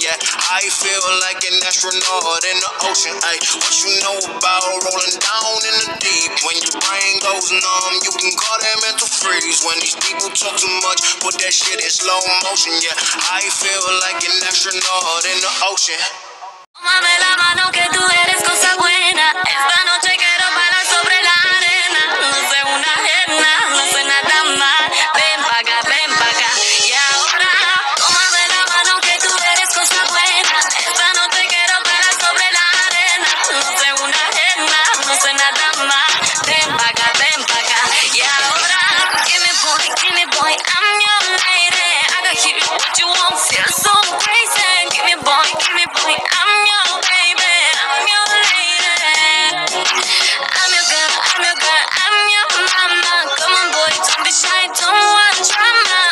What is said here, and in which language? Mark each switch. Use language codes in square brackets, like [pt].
[en] Yeah, I feel like an astronaut in the ocean. Ay, what you know about rolling down in the deep? When your brain goes numb, you can call that mental freeze. When these people talk too much, put that shit in slow motion. Yeah, I feel like an astronaut in the ocean. [es] Tómame la mano que tú eres cosa buena. Esta noche quiero bailar sobre la arena. No soy una ajena, no soy nada más. Ven pa' acá, ven pa' acá. Y ahora, tómame la mano que tú eres cosa buena. Esta noche quiero bailar sobre la arena. No soy una ajena, no soy nada más. Ven pa' acá, ven pa' acá. Y ahora, [en] give me boy, I'm your lady. I got you, what you want, feel so crazy. Give me boy, I'm your baby, I'm your lady. I'm your girl, I'm your girl, I'm your mama. Come on boy, don't be shy, don't want drama.